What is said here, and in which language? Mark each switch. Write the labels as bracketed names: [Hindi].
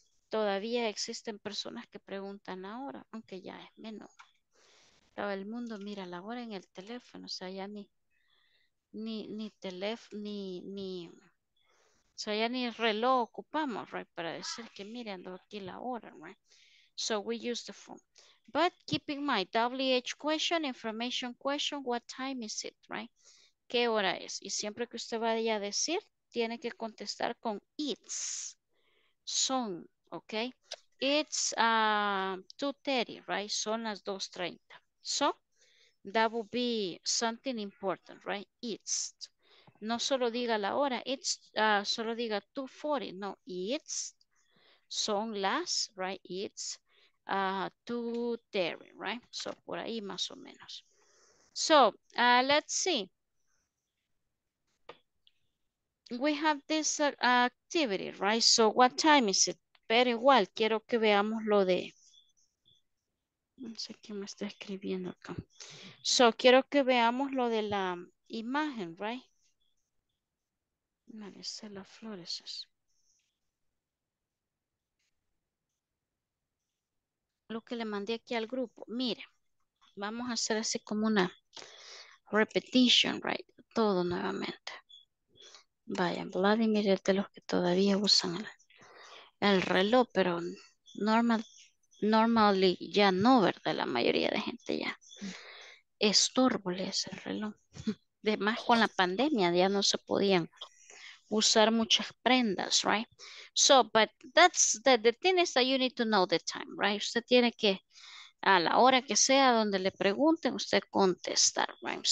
[Spanish] Todavía existen personas que preguntan ahora, aunque ya es menos. Todo el mundo mira la hora en el teléfono, o sea, ya ni teléfono, ni... O sea, ya ni reloj ocupamos, right? Para decir que mirando aquí la hora, right? [English] So we use the phone. But keep in mind, WH question, information question, what time is it, right? [Spanish] ¿Qué hora es? Y siempre que usted vaya a decir, tiene que contestar con it's. [English] Son, ¿ok? It's 2:30, right? [Spanish] Son las 2:30. [English] So, that will be something important, right? It's. [Spanish] No solo diga la hora, it's, solo diga 2:40, no, it's, son las, right, it's 2:30, right, so por ahí más o menos. [English] So, let's see. We have this activity, right, so what time is it? [Spanish] Pero igual, quiero que veamos lo de, no sé quién me está escribiendo acá. So, quiero que veamos lo de la imagen, right. Maricela Flores. Lo que le mandé aquí al grupo. Mire, vamos a hacer así como una repetition, right? Todo nuevamente. Vaya, Vladimir es de los que todavía usan el reloj, pero normally ya no, ¿verdad? La mayoría de gente ya. Estorbo es el reloj. Además, con la pandemia ya no se podían usar muchas prendas, right? [English] So, but that's the thing is that you need to know the time, right? [Spanish] Usted tiene que, a la hora que sea donde le pregunten, usted contestar, right?